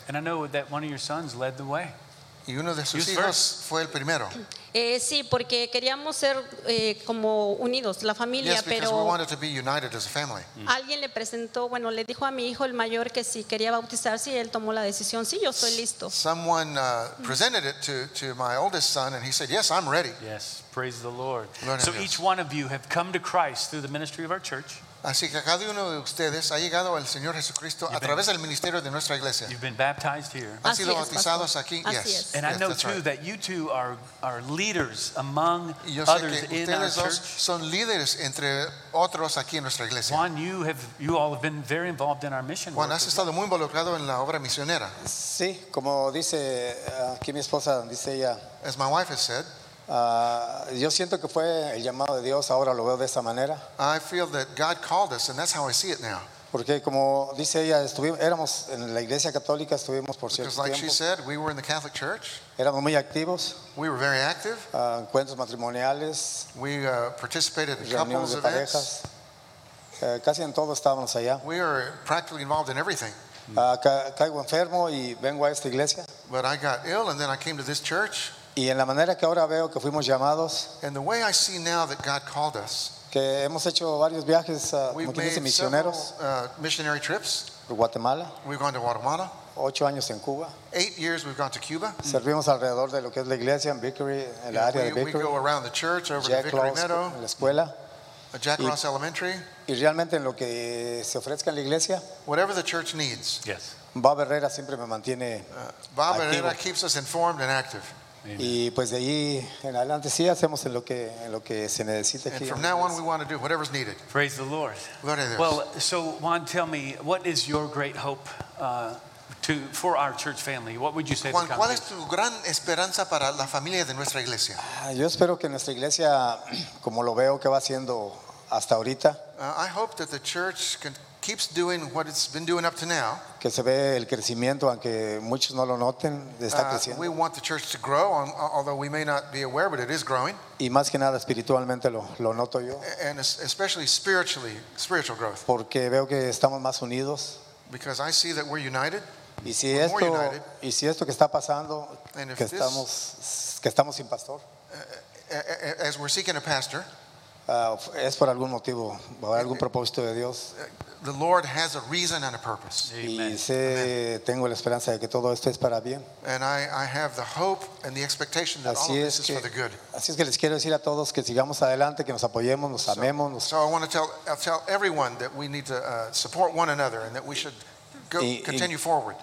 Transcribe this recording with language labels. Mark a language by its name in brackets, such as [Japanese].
[English] And I know that one of your sons led the way. [Spanish] Y uno de sus hijos first. Fue el primero. Sí, porque queríamos ser como unidos, la familia, [English] yes, [Spanish] pero [English] we wanted to be united as a family. [Spanish] Alguien le presentó, bueno, le dijo a mi hijo el mayor que si quería bautizarse y él tomó la decisión, sí, yo estoy listo. [English] Someone presented it to my oldest son and he said, "Yes, I'm ready." Yes, praise the Lord. So each one of you have come to Christ through the ministry of our church. [Spanish] Así que cada uno de ustedes ha llegado al Señor Jesucristo a través del ministerio de nuestra iglesia. [English] You've been baptized here. [Spanish] Han sido bautizados aquí. Yes. [English] And I know too that you two are leaders among others in our church. [Spanish] Son líderes entre otros aquí en nuestra iglesia. [English] Juan, you all have been very involved in our mission. [Spanish] Juan, has estado muy involucrado en la obra misionera. Sí, como dice aquí mi esposa, dice ella. [English] As my wife has said. [Spanish] Yo siento que fue el llamado de Dios, ahora lo veo de esa manera. [English] I feel that God called us and that's how I see it now. [Spanish] Porque como dice ella, éramos en la iglesia católica, estuvimos por cierto tiempo. [English] Because like she said, we were in the Catholic Church. [Spanish] Éramos muy activos. [English] We were very active. [Spanish] Encuentros matrimoniales. [English] We participated in [Spanish] reuniones de parejas. Casi en todo estábamos allá. [English] We were practically involved in everything. [Spanish] Caigo enfermo y vengo a esta iglesia. [English] But I got ill and then I came to this church. [Spanish] Y en la manera que ahora veo que fuimos llamados, [English] and the way I see now that God called us, [Spanish] que hemos hecho varios viajes, [English] we've [Spanish] como [English] made [Spanish] misioneros, [English] several missionary trips. [Spanish] Guatemala. [English] We've gone to Guatemala. [Spanish] 8 años en Cuba. [English] 8 years we've gone to Cuba. [Spanish] Servimos alrededor de lo que es la iglesia en Vickery, en la área de Vickery. [English] We go around the church, over Jack the Vickery Meadow. [Spanish] La escuela. [English] Jack Ross Elementary. [Spanish] Y realmente en lo que se ofrezca en la iglesia. [English] Whatever the church needs. Yes. [Spanish] Bob Herrera siempre me mantiene [English] Bob [Spanish] activo. [English] Herrera keeps us informed and active. Amen. [Spanish] Y pues de ahí en adelante sí hacemos en lo que se necesita aquí. [English] And from now on we want to do whatever's needed. Praise the Lord. Glory to God. Well, so Juan, tell me, what is your great hope for our church family? What would you say? [Spanish] Juan, ¿cuál es tu gran esperanza para la familia de nuestra iglesia? Yo espero que nuestra iglesia, como lo veo que va haciendo hasta ahorita, [English] I hope that the church keeps doing what it's been doing up to now. [Spanish] Que se ve el crecimiento, aunque muchos no lo noten, está creciendo. [English] We want the church to grow, although we may not be aware, but it is growing. [Spanish] Y más que nada espiritualmente lo noto yo. [English] And especially spiritually, spiritual growth. [Spanish] Porque veo que estamos más unidos. [English] Because I see that we're united. [Spanish] Y si esto, que está pasando, que estamos sin pastor. [English] As we're seeking a pastor. [Spanish] Es por algún motivo, por algún propósito de Dios. [English] The Lord has a reason and a purpose. [Spanish] Amen. Y sé, tengo la esperanza de que todo esto es para bien. [English] And I have the hope and the expectation that [Spanish] así [English] all of this is for the good. [Spanish] Así es que les quiero decir a todos que sigamos adelante, que nos apoyemos, nos amemos. [English] So I want to tell everyone that we need to support one another and that we should continue forward.